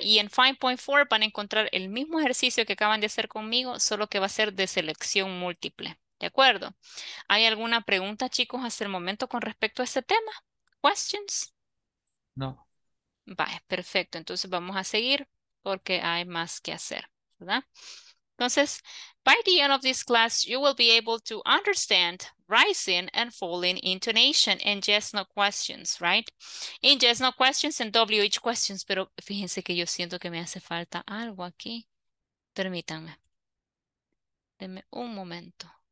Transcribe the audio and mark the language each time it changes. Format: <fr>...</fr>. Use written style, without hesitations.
<es>Y en 5.4 van a encontrar el mismo ejercicio que acaban de hacer conmigo, solo que va a ser de selección múltiple. ¿De acuerdo? ¿Hay alguna pregunta, chicos, hasta el momento con respecto a este tema?</es> <en>¿Questions?</en> <es>No. Vale, perfecto. Entonces vamos a seguir porque hay más que hacer, ¿verdad?</es> <en>Entonces, by the end of this class, you will be able to understand rising and falling intonation and yes, no questions, right? In yes, no questions and WH questions.</en> <es>Pero fíjense que yo siento que me hace falta algo aquí. Permítanme. Denme un momento.</es>